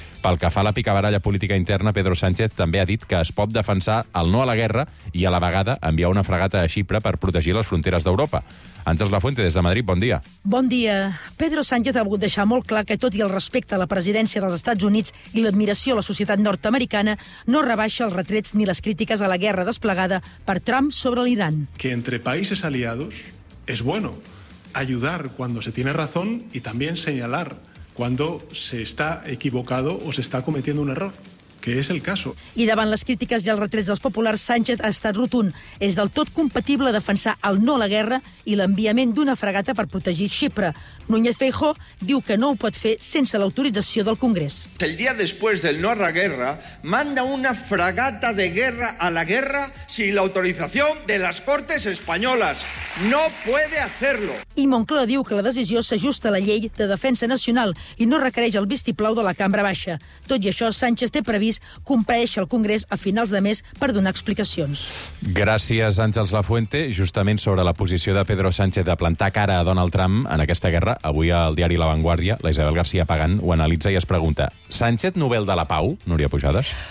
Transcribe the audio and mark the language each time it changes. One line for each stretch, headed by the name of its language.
Catalan: Pel que fa a la picabaralla política interna, Pedro Sánchez també ha dit que es pot defensar el no a la guerra i a la vegada enviar una fregata a Xipre per protegir les fronteres d'Europa. Àngels Lafuente, des de Madrid, bon dia. Bon dia. Pedro Sánchez ha volgut deixar molt clar que, tot i el respecte a la presidència dels Estats Units i l'admiració a la societat nord-americana, no rebaixa els retrets ni les crítiques a la guerra desplegada per Trump sobre l'Iran.
Spanish: Que entre países aliados es bueno ayudar cuando se tiene razón y también señalar cuando se está equivocado o se está cometiendo un error. Que és el caso.
Catalan: I davant les crítiques i els retrets dels populars, Sánchez ha estat rotund. És del tot compatible defensar el no a la guerra i l'enviament d'una fregata per protegir Xipre. Núñez Feijóo diu que no ho pot fer sense l'autorització del Congrés.
Spanish: El dia després del no a la guerra, manda una fregata de guerra a la guerra sin la autorización de las Cortes Españolas. No puede hacerlo.
Catalan: I Moncloa diu que la decisió s'ajusta a la llei de defensa nacional i no requereix el vistiplau de la cambra baixa. Tot i això, Sánchez té previst compareixer al Congrés a finals de mes per donar explicacions. Gràcies, Àngels Lafuente. Justament sobre la posició de Pedro Sánchez de plantar cara a Donald Trump en aquesta guerra, avui al diari La Vanguardia, la Isabel García Pagán ho analitza i es pregunta: Sánchez Nobel de la Pau, Núria Pujades?